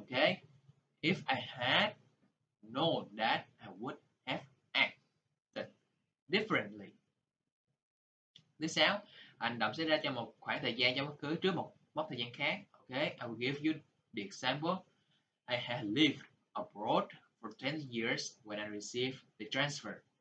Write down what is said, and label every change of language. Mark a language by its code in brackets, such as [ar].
[en] Ok, if I had known that I would have acted differently. [vi] Thứ sáu, hành động xảy ra trong một khoảng thời gian trong quá khứ trước một mốc thời gian khác. [en] Ok, I will give you the example. I had lived abroad for 10 years when I received the transfer.